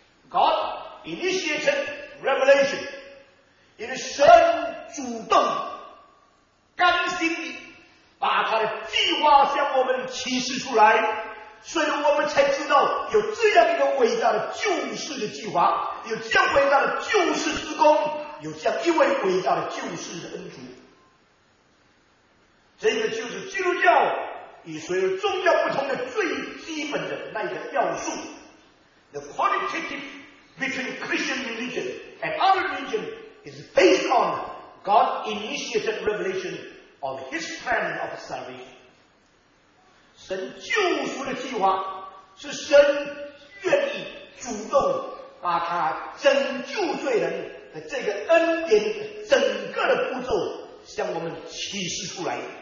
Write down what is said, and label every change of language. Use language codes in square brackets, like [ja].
[en] God initiated revelation， [zh] 因为神主动甘心把他的计划向我们启示出来，所以我们才知道有这样一个伟大的救世的计划，有这样伟大的救世之功，有这样一位伟大的救世的恩主。这个就是基督教与所有宗教不同的最基本的那个要素。 [en] The qualitative between Christian religion and other religion is based on God initiated revelation of His plan of salvation。 [zh] 神救赎的计划是神愿意主动把他拯救罪人的这个恩典整个的步骤向我们启示出来。